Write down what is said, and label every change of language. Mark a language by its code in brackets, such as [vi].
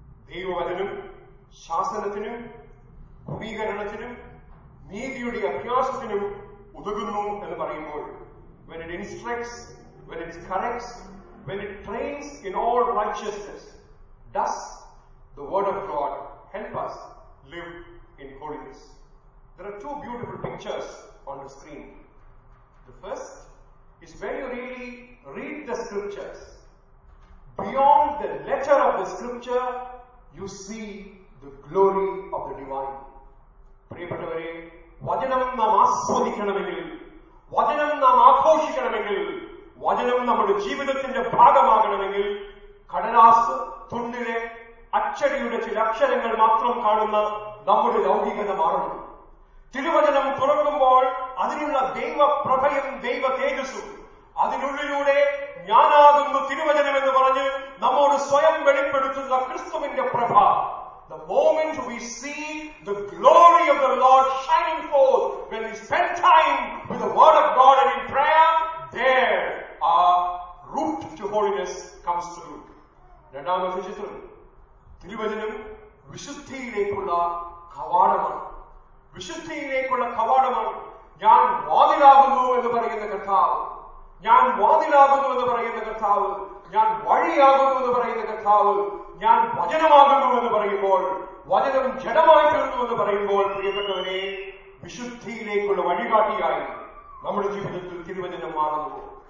[ml] ദൈവവചനം ശാസനത്തിനും ക്രമീകരണത്തിനും നീതിയുടെ അഭ്യാസത്തിനും ഉതകുന്നു എന്ന് പറയുമ്പോൾ, [en] when it instructs, when it corrects, when it trains in all righteousness, thus the word of God help us live in holiness. There are two beautiful pictures on the screen. The first is when you really read the scriptures, beyond the letter of the scripture you see the glory of the divine. [ml] പ്രിയപ്പെട്ടവരെ, വചനം നാം ആസ്വദിക്കണമെങ്കിൽ, വചനം നാം ആഘോഷിക്കണമെങ്കിൽ, വചനം നമ്മുടെ ജീവിതത്തിന്റെ ഭാഗമാകണമെങ്കിൽ കടലാസ് തുണ്ടിലെ അച്ചടിയുടെ ചില അക്ഷരങ്ങൾ മാത്രം കാണുന്ന നമ്മുടെ ലൗകികത മാറണം. തിരുവചനം തുറക്കുമ്പോൾ അതിനുള്ള ദൈവപ്രഭയും ദൈവ തേജസ്സും അതിനുള്ളിലൂടെ ഞാനാകുന്നു തിരുവചനം എന്ന് പറഞ്ഞ് നമ്മോട് സ്വയം വെളിപ്പെടുത്തുന്ന ക്രിസ്തുവിന്റെ പ്രഭ. [en] The moment we see the glory of the Lord shining forth when we spend time with the word of God and in prayer, there our route to holiness comes through. [ml] രണ്ടാമത്തെ ചിത്രം, തിരുവചനം വിശുദ്ധിയിലേക്കുള്ള കവാടമാണ്. വിശുദ്ധിയിലേക്കുള്ള കവാടമാണ്. ഞാൻ വാതിലാകുന്നു എന്ന് പറയുന്ന കർത്താവ്, ഞാൻ വാതിലാകുന്നു എന്ന് പറയുന്ന കർത്താവ്, ഞാൻ വഴിയാകുന്നു എന്ന് പറയുന്ന കർത്താവ്, ഞാൻ വചനമാകുന്നു എന്ന് പറയുമ്പോൾ, വചനം ജഡമായി തീർന്നു എന്ന് പറയുമ്പോൾ, പ്രിയപ്പെട്ടവരെ, വിശുദ്ധിയിലേക്കുള്ള വഴികാട്ടിയായി നമ്മുടെ ജീവിതത്തിൽ തിരുവചനം മാറുന്നു.